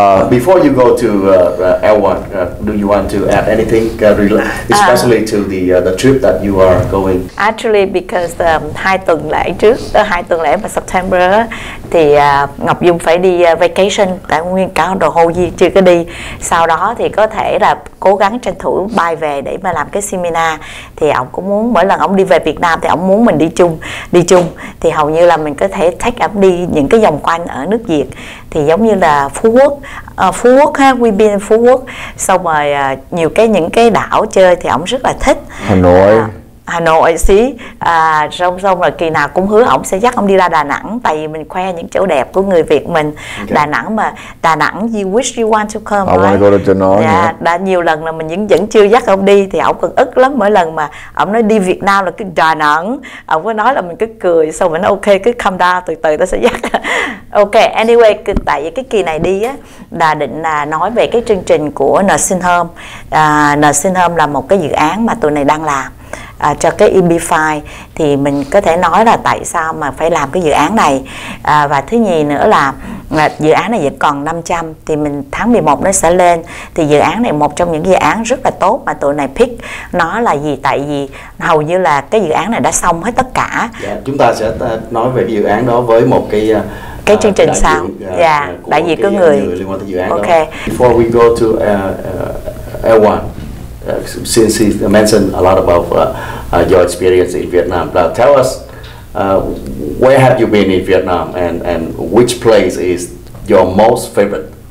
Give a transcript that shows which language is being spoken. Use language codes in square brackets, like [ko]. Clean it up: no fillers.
[en] Before you go to L1, do you want to add anything, especially to the trip that you are going? [vi] Actually, because hai tuần lễ vào September thì Ngọc Dung phải đi vacation, đã nguyên cả đồ hồ gì chưa có đi. Sau đó thì có thể là cố gắng tranh thủ bay về để mà làm cái seminar. Thì ông cũng muốn, mỗi lần ông đi về Việt Nam thì ông muốn mình đi chung. Thì hầu như là mình có thể take up đi những cái vòng quanh ở nước Việt. Thì giống như là Phú Quốc ha, we've been Phú Quốc. Xong rồi nhiều cái những cái đảo chơi thì ông rất là thích. Hà Nội xí. Xong rồi kỳ nào cũng hứa ông sẽ dắt ông đi ra Đà Nẵng, tại vì mình khoe những chỗ đẹp của người Việt mình. [en] Okay. Đà Nẵng, you wish you want to come. I want to go to Đà Nẵng. [vi] Yeah, đã nhiều lần là mình vẫn chưa dắt ông đi thì ông còn ức lắm. Mỗi lần mà ông nói đi Việt Nam là cứ Đà Nẵng, ông có nói là mình cứ cười, xong mình nói ok, cứ calm down, từ từ ta sẽ dắt. Ok, anyway, tại vì cái kỳ này đi á, đã định là nói về cái chương trình của Nursing Home. Nursing Home là một cái dự án mà tụi này đang làm cho cái EB-5. Thì mình có thể nói là tại sao mà phải làm cái dự án này. Và thứ nhì nữa là dự án này vẫn còn 500, thì mình tháng 11 nó sẽ lên. Thì dự án này một trong những dự án rất là tốt mà tụi này pick nó là gì, tại vì hầu như là cái dự án này đã xong hết tất cả. Yeah, chúng ta sẽ nói về cái dự án đó với một cái chương trình sau. Dạ, đại diện của người liên quan tới dự án. [en] Okay. [vi] Đó. [en] Before we go to L1, since he mentioned a lot about your experience in Vietnam, tell us where have you been in Vietnam and which place is your most favorite?